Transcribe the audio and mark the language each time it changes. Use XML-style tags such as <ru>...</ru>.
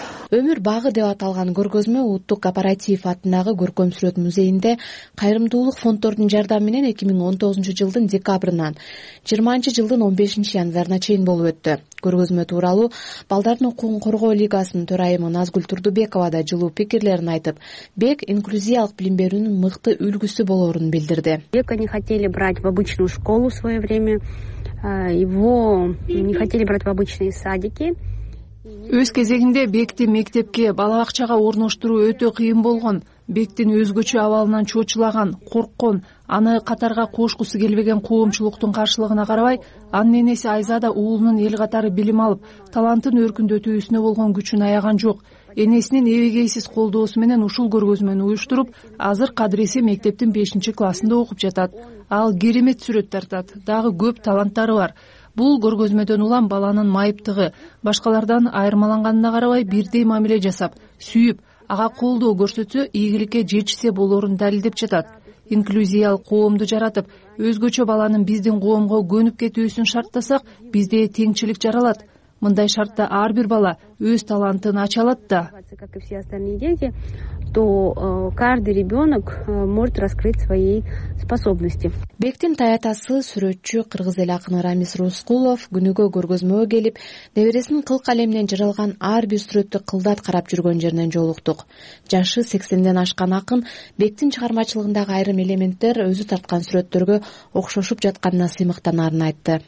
<ky>Өмүр багы деп аталган көргөзмө Улуттук кооператив атындагы көркөм сүрөт музейинде кайрымдуулук фонддордун жардамы менен 2019 жылдын декабрынан 20-нчы жылдын 15-нчи январына чейин болуп өттү. Көргөзмө тууралуу балдардын укугун коргоо лигасынын төрайымы Назгүл Турдубекова да жылуу пикирлерин айтып, бек инклюзиялык билим берүүнүн мыкты үлгүсү болорун билдирди.</ky> <ru>Бек они хотели брать в обычную школу в свое время. Его не хотели брать в обычные садики.</ru> <ky>Өз кезегинде бекти мектепке, бала бакчага орноштуруу өтө кыйын болгон. Бектин өзгөчө абалынан чочулаган, корккон, аны катарга кошкусу келбеген коомчулуктун каршылыгына карабай, анын энеси Айзада уулунун эл катары билим алып, талантын өркүндөтүүсүнө болгон күчүн аяган жок. Энесинин эбегейсиз колдоосу менен ушул көргөзмөнү уюштуруп, азыр кадриси мектептин 5-нчи классында окуп жатат. Ал керемет сүрөт тартат, дагы көп таланттары бар. Бул көргөзмөдөн улам баланын майыптыгы, башкалардан айырмаланганына карабай бирдей мамиле жасап, сүйүп, ага колдоо көрсөтсө, ийгиликке жетишсе болорун далилдеп жатат. Инклюзиялык коомду жаратып, өзгөчө баланын биздин коомго көнүп кетүүсүн шарттасак, бизде теңчилик жаралат. Мындай шартта ар бир бала өз талантын ача алат да.</ky> <ru>Как и все остальные дети, то каждый ребенок может раскрыть свои способности.</ru> <ky>Бектин таятасы, сүрөтчү, кыргыз эл акыны Рамис Рускулов күнүгө көргөзмөгө келип, небересинин кыл калемден жаралган ар бир сүрөттү кылдат карап жүргөн жеринен жолуктук. Жашы 80 ашкан акын бектин чыгармачылыгындагы айрым элементтер өзү тарткан сүрөттөргө окшошуп жатканына сыймыктанарын айтты.</ky>